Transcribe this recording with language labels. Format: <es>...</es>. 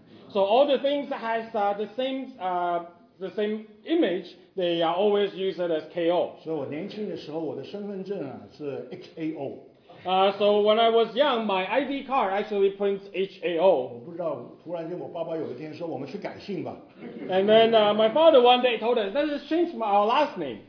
<en>So all the things that has the same image, they are always used as KO.</en> <zh>所以我年轻的时候，我的身份证啊是 HAO.</zh> <en>So when I was young, my ID card actually prints HAO.</en> <zh>我不知道，突然间我爸爸有一天说，我们去改姓吧。</zh> <en>And then my father one day told us, let's change our last name.</en>